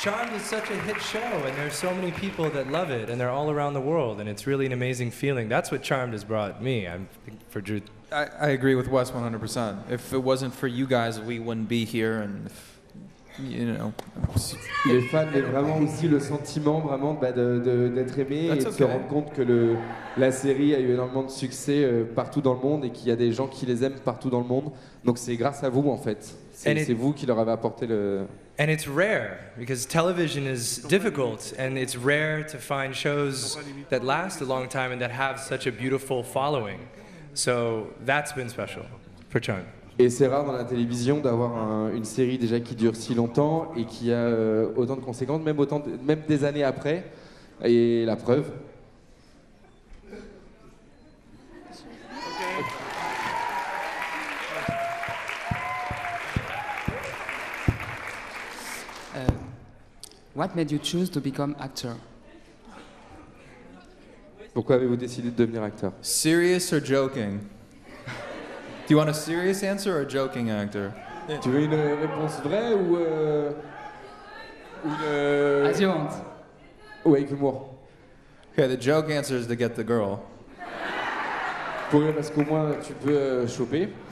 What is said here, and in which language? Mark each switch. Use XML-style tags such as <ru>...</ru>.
<en>Charmed is such a hit show, and there are so many people that love it, and they're all around the world, and it's really an amazing feeling. That's what Charmed has brought me. I'm for Drew. I agree with Wes 100%. If it wasn't for you guys, we wouldn't be here, and if, you know.</en> <fr>Les fans, mais vraiment aussi le sentiment vraiment d'être aimé</fr> <en>That's</en> <fr>et de</fr> <en>okay.</en> <fr>se rendre compte que la série a eu énormément de succès partout dans le monde et qu'il y a des gens qui les aiment partout dans le monde. Donc c'est grâce à vous en fait. C'est vous qui leur avez apporté le.</fr> <en>And it's rare because television is difficult, and it's rare to find shows that last a long time and that have such a beautiful following. So that's been special for Chun.</en> <fr>Et c'est rare dans la télévision d'avoir une série déjà qui dure si longtemps et qui a autant de conséquences, même des années après. Et la preuve.</fr> <en>What made you choose to become actor?</en> <fr>Pourquoi avez-vous décidé de devenir acteur?</fr> <en>Serious or joking? Do you want a serious answer or a joking actor?</en> <fr>Tu veux une réponse vraie ou une</fr> <en>As you want.</en> <fr>Ou avec humour.</fr> <en>Okay, the joke answer is to get the girl.</en> <fr>Pour rire parce qu'au moins tu peux choper.</fr>